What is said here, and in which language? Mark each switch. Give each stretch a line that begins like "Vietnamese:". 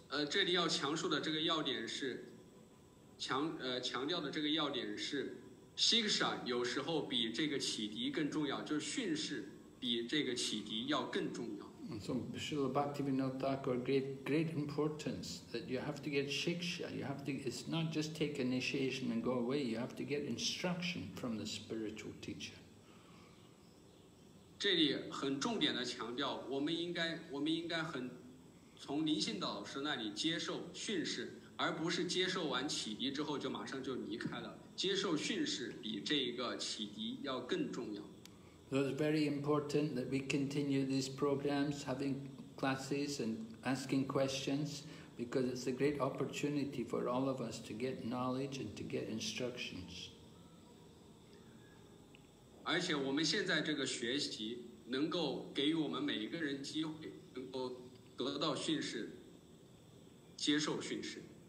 Chinese: 这里要强述的这个要点是强调的这个要点是 Shiksha 有时候比这个启迪更重要，就是训示比这个启迪要更重要。
English: So Srila Bhaktivinoda Thakur gave great importance that you have to get shiksha. You have to, it's not just take initiation and go away. You have to get instruction from the spiritual teacher.
Chinese: 这里很重点的强调，我们应该很从灵性导师那里接受训示，而不是接受完启迪之后就马上就离开了。接受训示比这个启迪要更重要。
English: So it's very important that we continue these programs, having classes and asking questions, because it's a great opportunity for all of us to get knowledge and to get instructions.
Chinese: 而且我们现在这个学习能够给予我们每一个人机会，能够得到训示，接受训示。